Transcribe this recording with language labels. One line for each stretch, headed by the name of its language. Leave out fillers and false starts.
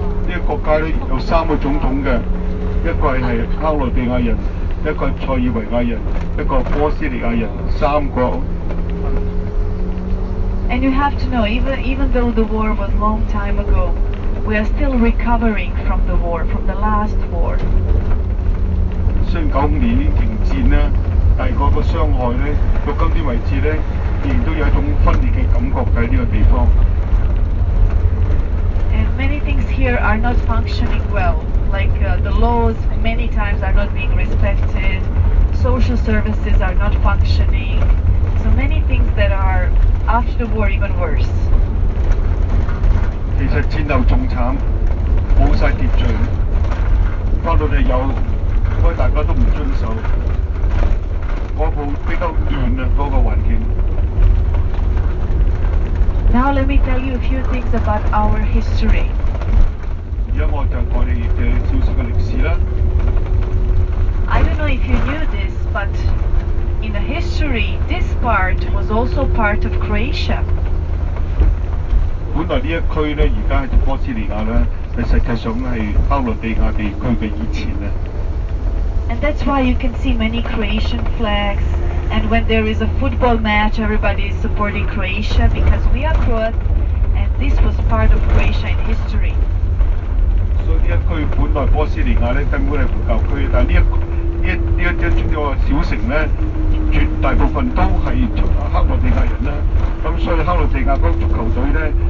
English: This country has three presidents. One is a Croatian, one is a Croatian, one is a Bosnian. And you have to know, even though the war was a long time ago,We are still recovering from the war, from the last war.
Cantonese: 雖然1995年已經停戰啦，但係嗰個傷害咧，到今天為止咧，仍都有一種分裂嘅感覺喺呢個地方。
English: And many things here are not functioning well, like the laws many times are not being respected, social services are not functioning, so many things that are after the war even worse.
Cantonese: 其實戰鬥仲慘，冇曬秩序，法律係有，所以大家都唔遵守。嗰部比較亂啊，嗰個環境。
English: Now let me tell you a few things about our history.
Cantonese: 而家我就講你嘅少少嘅歷史啦。
English: I don't know if you knew this, but in the history, this part was also part of Croatia.
Cantonese: 本來呢一區咧，而家係叫波斯尼亞啦，係實際上係克羅地亞地區嘅以前咧。
English: And that's why you can see many Croatian flags. And when there is a football match, everybody is supporting Croatia because we are Croat, and this was part of Croatia in history.
Cantonese: 所以呢一區本來波斯尼亞咧根本係回教區，但係呢一小城咧，絕大部分都係克羅地亞人啦。咁所以克羅地亞嗰足球隊咧。